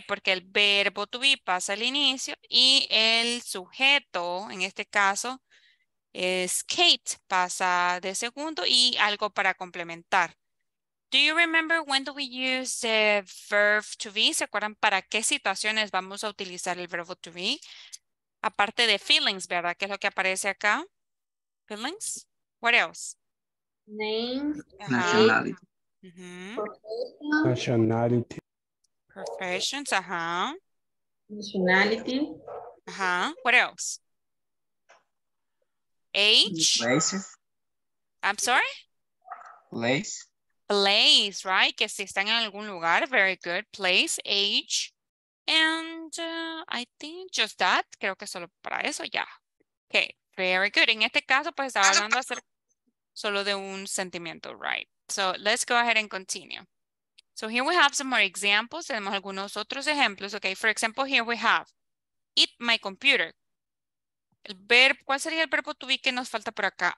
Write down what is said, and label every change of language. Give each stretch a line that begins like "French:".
Spanish: Porque el verbo to be pasa al inicio y el sujeto, en este caso, es Kate, pasa de segundo y algo para complementar.
English: Do you remember when do we use the verb to be?
Spanish: ¿Se acuerdan para qué situaciones vamos a utilizar el verbo to be? Aparte de feelings, ¿verdad? ¿Qué es lo que aparece acá? Feelings.
English: What else? Name. Nationality. Nationality. Professions, Nationality. What else? Age. Place. I'm sorry? Place. Place, right?
Spanish: Que si están en algún lugar,
English: very good. Place, age. And I think just that,
Spanish: creo que solo para eso,
English: Okay, very good.
Spanish: En este caso, pues estaba hablando acerca solo de un sentimiento, right?
English: So let's go ahead and continue. So here we have some more examples.
Spanish: Tenemos algunos otros ejemplos.
English: Okay, for example, here we have eat my computer.
Spanish: El verbo, ¿cuál sería el verbo to be que nos falta por acá?